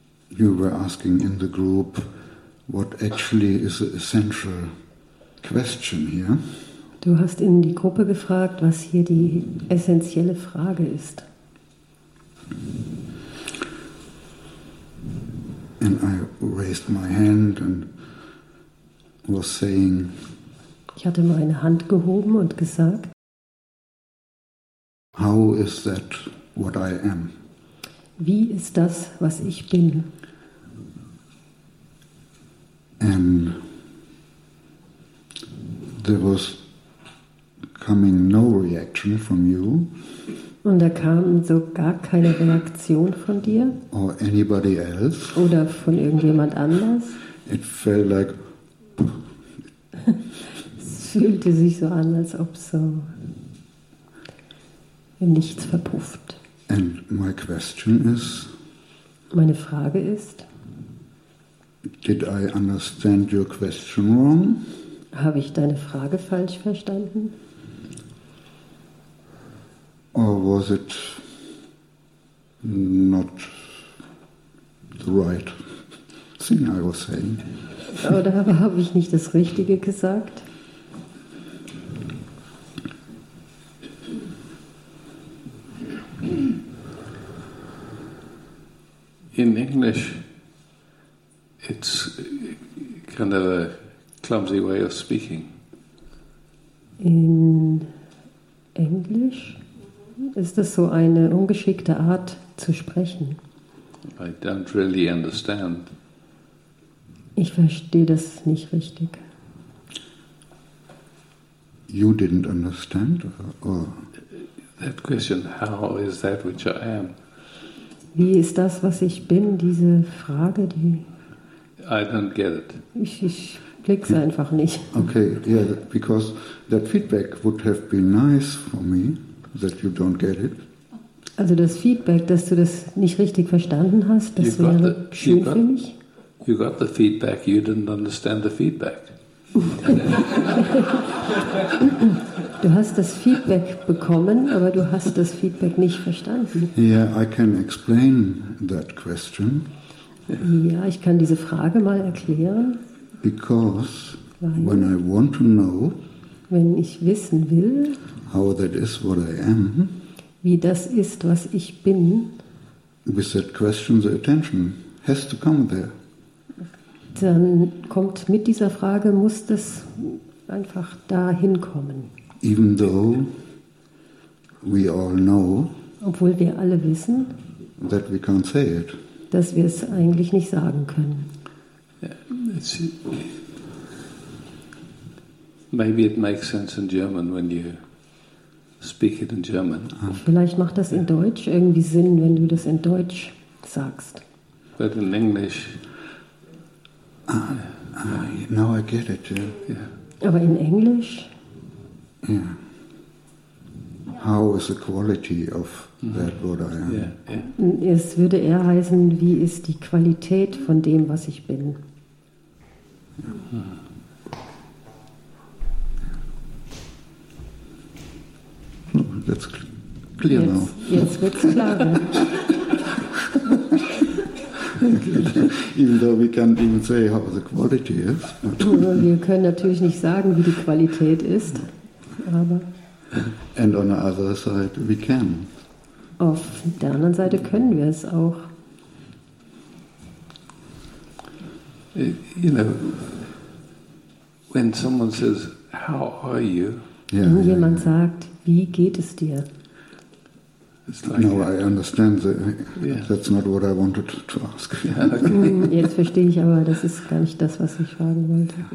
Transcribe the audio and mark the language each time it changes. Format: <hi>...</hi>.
<en>You were asking in the group, what actually is the essential question here?</en> <de>Du hast in die Gruppe gefragt, was hier die essentielle Frage ist.</de> <en>And I raised my hand and was saying.</en> <de>Ich hatte meine Hand gehoben und gesagt.</de> <en>How is that what I am?</en> <de>Wie ist das, was ich bin?</de> <en>And there was coming no reaction from you.</en> <de>Und da kam so gar keine Reaktion von dir.</de> <en>Or anybody else.</en> <de>Oder von irgendjemand anders.</de> <en>It felt like.</en> <de>Es fühlte sich so an, als ob so. Nichts verpufft.</de> <en>And my question is,</en> <de>meine Frage ist,</de> <en>did I understand your question wrong?</en> <de>Habe ich deine Frage falsch verstanden?</de> <en>Or was it not the the right thing I was saying.</en> <de>Oder habe ich nicht das Richtige gesagt?</de> <en>In English, it's kind of a clumsy way of speaking. In English,</en> <de>ist das so eine ungeschickte Art zu sprechen?</de> <en>I don't really understand.</en> <de>Ich verstehe das nicht richtig.</de> <en>You didn't understand? Or? That question, how is that which I am?</en> <de>Wie ist das, was ich bin, diese Frage, die...</de> <en>I don't get it.</en> <de>Ich blick's einfach nicht.</de> <en>Okay, yeah, because that feedback would have been nice for me, that you don't get it.</en> <de>Also das Feedback, dass du das nicht richtig verstanden hast, das wäre the, schön got, für mich.</de> <en>You got the feedback, you didn't understand the feedback.</en> <de>Du hast das Feedback bekommen, aber du hast das Feedback nicht verstanden.</de> <en>Yeah, I can explain that question.</en> <de>Ja, ich kann diese Frage mal erklären.</de> <en>Because when I want to know,</en> <de>wenn ich wissen will,</de> <en>how that is what I am,</en> <de>wie das ist, was ich bin,</de> <en>with that question the attention has to come there.</en> <de>Dann kommt mit dieser Frage, muss das einfach dahin kommen.</de> <en>Even though we all know,</en> <de>obwohl wir alle wissen,</de> <en>that we can't say it,</en> <de>dass wir es eigentlich nicht sagen können.</de> <en>Yeah, maybe it makes sense in German when you speak it in German.</en> <de>Vielleicht macht das in Deutsch irgendwie Sinn, wenn du das in Deutsch sagst.</de> <en>But in English, now I get it. Yeah.</en> <de>Aber in Englisch.</de> <en>Yeah. How is the quality of that what I am? Yeah, yeah.</en> <de>Es würde eher heißen, wie ist die Qualität von dem, was ich bin?</de> <en>Yeah. Oh, that's clear</en> <de>jetzt,</de> <en>now.</en> <de>Jetzt wird's klar.</de> <en>Even though we can't even say how the quality is.</en> <de>Wir können natürlich nicht sagen, wie die Qualität ist. Aber</de> <en>and on the other side, we can.</en> <de>Auf der anderen Seite können wir es auch.</de> <en>You know, when someone says, how are you?</en> <de>Yeah, wenn jemand sagt, wie geht es dir?</de> <en>It's like no, I understand. That's not what I wanted to ask. Yeah, okay.</en> <de>Jetzt verstehe ich aber, das ist gar nicht das, was ich fragen wollte.</de>